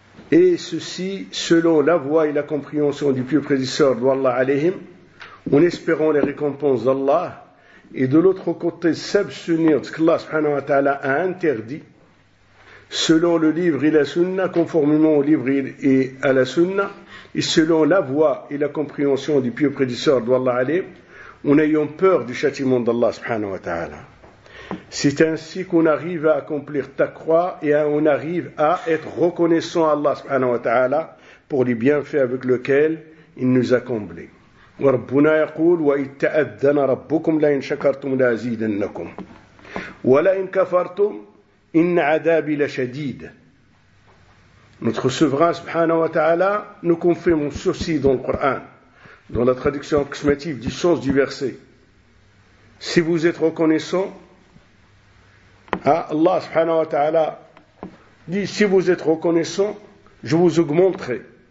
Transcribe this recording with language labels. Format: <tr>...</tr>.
<fr>et ceci selon la voie et la compréhension du plus prédisseur d'Allah alayhim, en espérant les récompenses d'Allah, et de l'autre côté s'abstenir de ce qu'Allah subhanahu wa ta'ala a interdit, selon le livre et la sunna, conformément au livre et à la sunna, et selon la voie et la compréhension du pieux prédisseur d'Allah alayhi, en ayant peur du châtiment d'Allah subhanahu wa ta'ala. C'est ainsi qu'on arrive à accomplir taqwa et on arrive à être reconnaissant à Allah subhanahu wa ta'ala pour les bienfaits avec lesquels il nous a comblés.</fr> <ar>وربنا يقول وإذ تأذن ربكم لئن شكرتم لأزيدنكم ولئن كفرتم إن عذابي لشديد.</ar> <fr>Notre souverain subhanahu wa ta'ala nous confirme ceci dans le Coran, dans la traduction approximative du sens du verset. Si vous êtes reconnaissant, Allah subhanahu wa ta'ala dit, si vous êtes reconnaissant, je vous augmenterai.</fr>